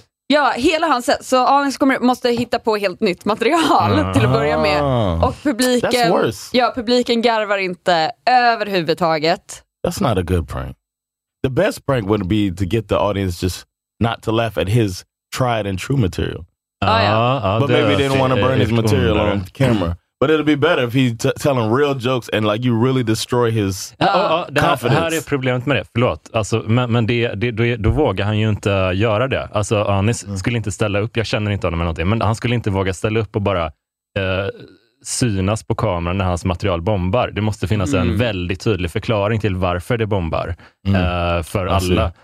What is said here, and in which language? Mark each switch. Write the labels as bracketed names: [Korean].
[Swedish] Ja, hela hans, så Anis måste hitta på helt nytt material till att börja med. Och publiken, [English] that's worse. [Swedish] Ja, publiken garvar inte överhuvudtaget. [English] That's not a good prank. The best prank would be to get the audience just not to laugh at his tried and true material. But maybe they didn't want to burn his material on camera. But it'll be better if he's telling real jokes and like you really destroy his confidence. [Swedish] Det här är problemet med det, förlåt. Alltså, men då vågar han ju inte göra det. Alltså, Anis skulle inte ställa upp, jag känner inte honom eller någonting, men han skulle inte våga ställa upp och bara synas på kameran när hans material bombar. Det måste finnas en väldigt tydlig förklaring till varför det bombar för alla.